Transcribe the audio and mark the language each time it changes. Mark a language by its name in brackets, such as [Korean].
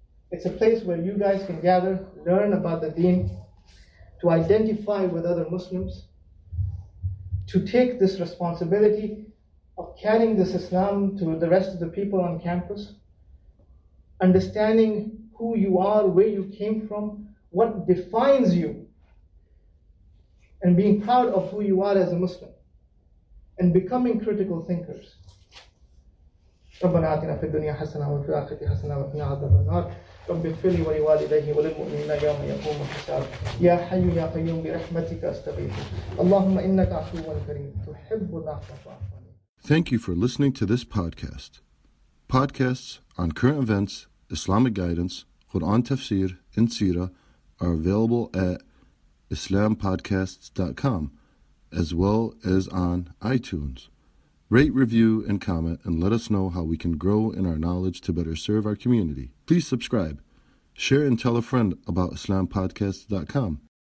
[English] It's a place where you guys can gather, learn about the deen, to identify with other Muslims, to take this responsibility of carrying this Islam to the rest of the people on campus, understanding who you are, where you came from, what defines you, and being proud of who you are as a Muslim, and becoming critical thinkers. [Arabic] ربنا آتنا في الدنيا حسنة وفي الآخرة حسنة وقنا عذاب النار رب اغفر لي ولوالديه وللمؤمنين يوم يقوم الحساب يا حي يا قيوم برحمتك استغيث اللهم انك عفو كريم تحب العفو [English] Thank you for listening to this podcast. Podcasts on current events, Islamic guidance, Quran tafsir, and seerah are available at islampodcasts.com as well as on iTunes. Rate, review, and comment, and let us know how we can grow in our knowledge to better serve our community. Please subscribe, share, and tell a friend about islampodcasts.com.